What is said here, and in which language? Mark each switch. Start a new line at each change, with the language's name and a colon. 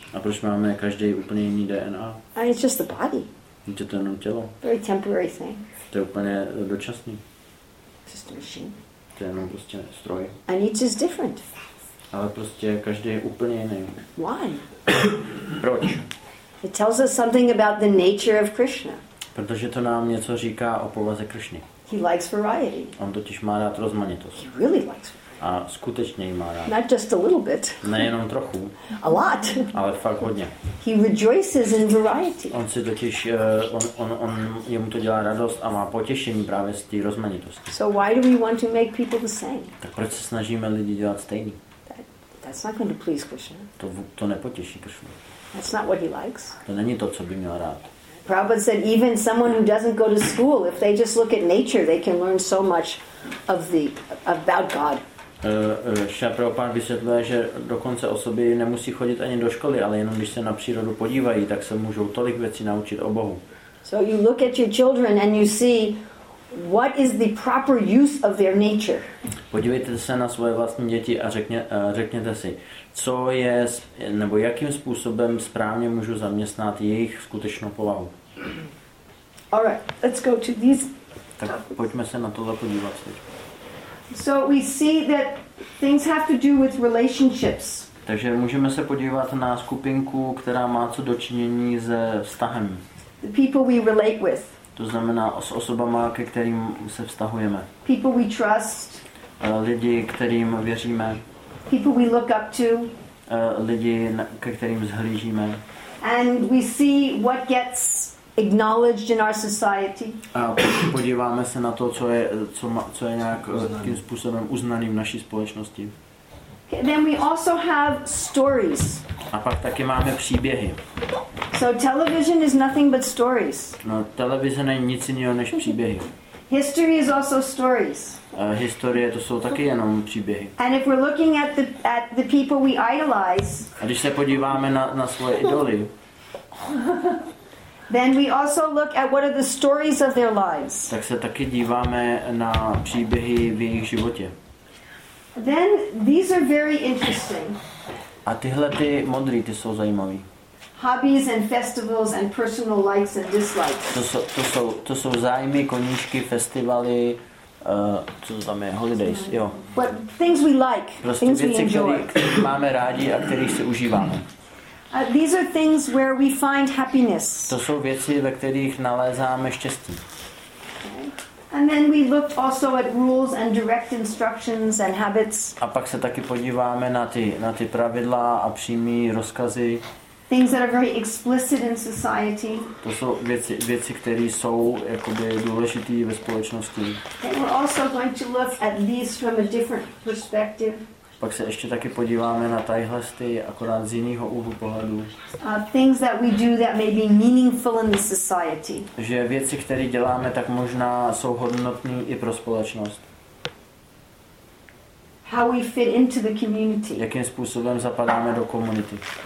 Czech: A proč máme každý úplně jiný DNA?
English: And it's just the body.
Czech: Je to jenom tělo.
English: Very temporary thing.
Czech: To je úplně dočasný.
English: It's just a machine.
Czech: To je jenom prostě stroj.
English: And each is different.
Czech: Ale prostě každý je úplně jiný.
English: Why?
Czech: Proč?
English: It tells us something about the nature of Krishna.
Czech: Protože to nám něco říká o povaze Krishny.
English: He likes variety.
Czech: On totiž má rád rozmanitost.
English: He really likes.
Czech: A skutečně jí má rád.
English: Not just a little bit.
Czech: Nejenom trochu.
English: A lot.
Czech: Ale fakt hodně.
English: He rejoices in variety.
Czech: On si totiž, on jemu to dělá radost a má potěšení právě z té rozmanitosti.
English: So why do we want to make people the same?
Czech: Tak proč se snažíme lidi dělat stejný?
English: That's not going to please Krishna.
Czech: To nepotěší Krishna.
English: That's not what he likes.
Czech: To není to, co by měl rád.
English: Prabhupada said even someone who doesn't go to school, if they just look at nature, they can learn so much of the about God.
Czech: Šéf Prabhupada vysvětluje, že dokonce osoby nemusí chodit ani do školy, ale jenom když se na přírodu podívají, tak se můžou tolik věcí naučit o Bohu.
English: So you look at your children and you see what is the proper use of their nature.
Czech: Podívejte se na svoje vlastní děti a řekněte si, co je, nebo jakým způsobem správně můžu zaměstnat jejich skutečnou povahu.
English: All right, let's go to these.
Czech: Tak pojďme se na tohle podívat teď.
English: So we see that things have to do with relationships.
Czech: Takže můžeme se podívat na skupinku, která má co dočinění se vztahem.
English: The people we relate with.
Czech: To znamená s osobama, ke kterým se vztahujeme.
English: People we trust.
Czech: Lidi, kterým věříme.
English: People we look up to.
Czech: Lidi, ke kterým zhlížíme.
English: And we see what gets acknowledged in our society.
Czech: A podíváme se na to, co je nějak tím způsobem uznaným v naší společnosti.
English: Then we also have stories.
Czech: A pak taky máme příběhy.
English: So television is nothing but stories.
Czech: No, televize není nic jiného než příběhy.
English: History is also stories.
Czech: Historie to jsou taky jenom příběhy.
English: And if we're looking at the people we idolize.
Czech: A když se podíváme na svoje idoly.
English: Then we also look at what are the stories of their lives.
Czech: Tak se taky díváme na příběhy v jejich životě.
English: Then these are very interesting.
Czech: A tyhle ty modrý, ty jsou zajímavý.
English: Hobbies and festivals and personal likes and dislikes.
Czech: To jsou zájmy, koníčky, festivaly, co to tam je, holidays, jo.
English: But things we like,
Czech: prostě
English: things
Czech: věci,
English: we enjoy.
Czech: Které máme rádi a kterých si užíváme.
English: These are things where we find happiness.
Czech: To jsou věci, ve kterých nalézáme štěstí.
English: And then we looked also at rules and direct instructions and habits.
Czech: A pak se taky podíváme na ty pravidla a přímé rozkazy.
English: Things that are very explicit in society.
Czech: To jsou věci, které jsou jakoby důležité ve společnosti.
English: And we're also going to look at these from a different perspective.
Czech: Pak se ještě taky podíváme na tadyhle ty akorát z jiného úhlu pohledu.
English: Things that we do that may be meaningful in the society.
Czech: Že věci, které děláme, tak možná jsou hodnotné i pro společnost.
English: How we fit into the community.
Czech: Jakým způsobem zapadáme do komunity.